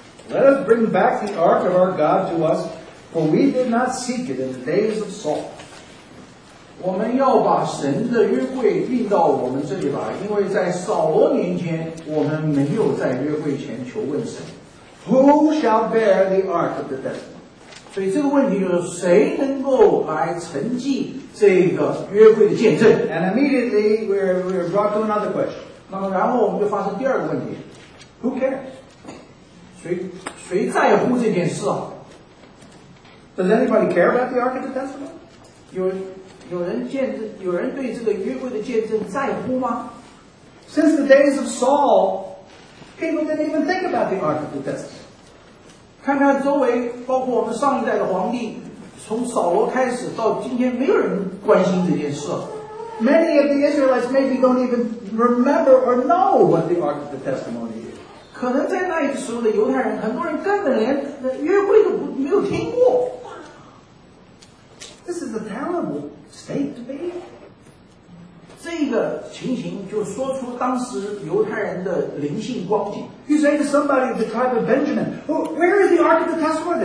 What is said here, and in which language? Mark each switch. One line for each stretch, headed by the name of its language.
English: Let us bring back the ark of our God to us, for we did not seek it in the days of Saul.
Chinese: 我们要把神的约柜运到我们这里来，因为在扫罗年间，我们没有在约柜前求问神。
English: Who shall bear the ark of the testimony?
Chinese: 所以这个问题就是谁能够来承继这个约柜的见证？
English: And immediately we're brought to another question.
Chinese: 那么然后我们就发生第二个问题。
English: Who cares?
Chinese: 谁在乎这件事啊？
English: Does anybody care about the ark of the testimony?
Chinese: 有人对这个约柜的见证在乎吗？
English: Since the days of Saul,People didn't even think about the Ark of the Testimony.
Chinese: 看看周围，包括我们上一代的皇帝，从扫罗开始到今天，没有人关心这件事。
English: Many of the Israelites maybe don't even remember or know what the Ark of the Testimony is.
Chinese: 可能在那时候的犹太人，很多人根本连约柜都没有听过。
English: This is a terrible state to be in.
Chinese: 这个情形就说出当时犹太人的灵性光景。
English: You say to somebody of the tribe of Benjamin, where is the Ark of the Testimony?